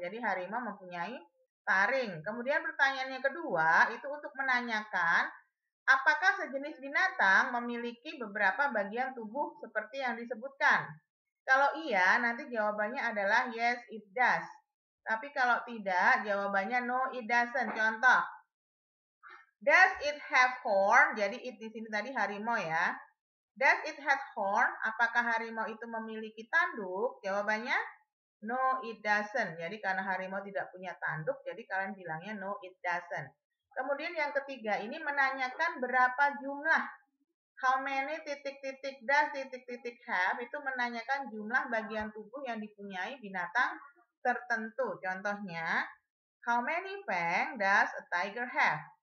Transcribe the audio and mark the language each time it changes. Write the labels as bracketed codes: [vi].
[id] Jadi harimau mempunyai taring. Kemudian pertanyaannya kedua, itu untuk menanyakan, apakah sejenis binatang memiliki beberapa bagian tubuh seperti yang disebutkan? Kalau iya, nanti jawabannya adalah [en] yes, it does. [id] Tapi kalau tidak, jawabannya [en] no, it doesn't. [id] Contoh, [en] does it have horn? [id] Jadi it di sini tadi harimau ya. [en] Does it have horn? [id] Apakah harimau itu memiliki tanduk? Jawabannya [en] no, it doesn't. [id] Jadi karena harimau tidak punya tanduk, jadi kalian bilangnya no, it doesn't. Kemudian yang ketiga, ini menanyakan berapa jumlah. [en] How many [id] titik-titik [en] does titik-titik have? [id] Itu menanyakan jumlah bagian tubuh yang dipunyai binatang tertentu. Contohnya, [en] how many fang does a tiger have?